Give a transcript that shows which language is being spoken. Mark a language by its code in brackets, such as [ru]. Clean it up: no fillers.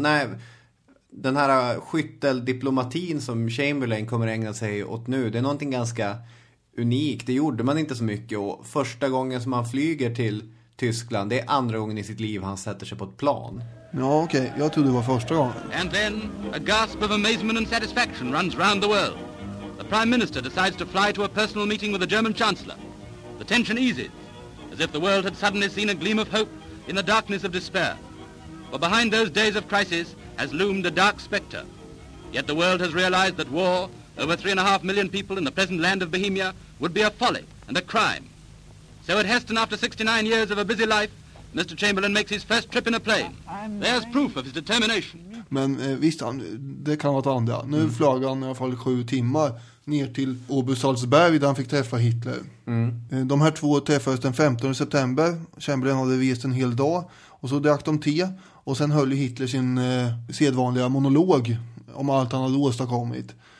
[sv] Nej, den här skytteldiplomatin som Chamberlain kommer ägna sig åt nu, det är någonting ganska unikt. Det gjorde man inte så mycket, och första gången som han flyger till Tyskland, det är andra gången i sitt liv han sätter sig på ett plan. Ja, okej. Okay. Jag trodde det var första gången. [en] And then a gasp of amazement and satisfaction runs round the world. The prime minister decides to fly to a personal meeting with the German chancellor. The tension eases as if the world had suddenly seen a gleam of hope in the darkness of despair. For behind those days of crisis has loomed a dark specter. Yet the world has realized that war, over 3.5 million people in the present land of Bohemia, would be a folly and a crime. So at Heston, after 69 years of a busy life, Mr. Chamberlain makes his first trip in a plane. There's proof of his determination. [sv] Men visst, det kan vara ett andra. Nu flög han i alla fall 7 timmar ner till Obersalzberg där han fick träffa Hitler. De här två träffades den 15 september. Chamberlain hade rest en hel dag. Och så drack de te. Och sen höll Hitler sin sedvanliga monolog om allt han hade åstadkommit.